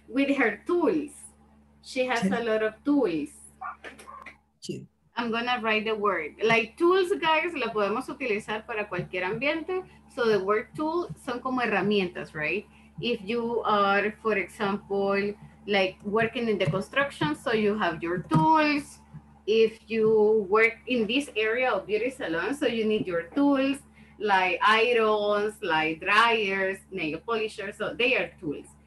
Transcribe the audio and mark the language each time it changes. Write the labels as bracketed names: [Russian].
[English] With her tools, she has a lot of tools. I'm gonna write the word. Like tools, guys, [Spanish] la podemos utilizar para cualquier ambiente. [English] So the word tool [Spanish] son como herramientas, [English] right? If you are, for example, like working in the construction, so you have your tools. If you work in this area of beauty salon, so you need your tools, like irons, like dryers, nail polishers, so they are tools.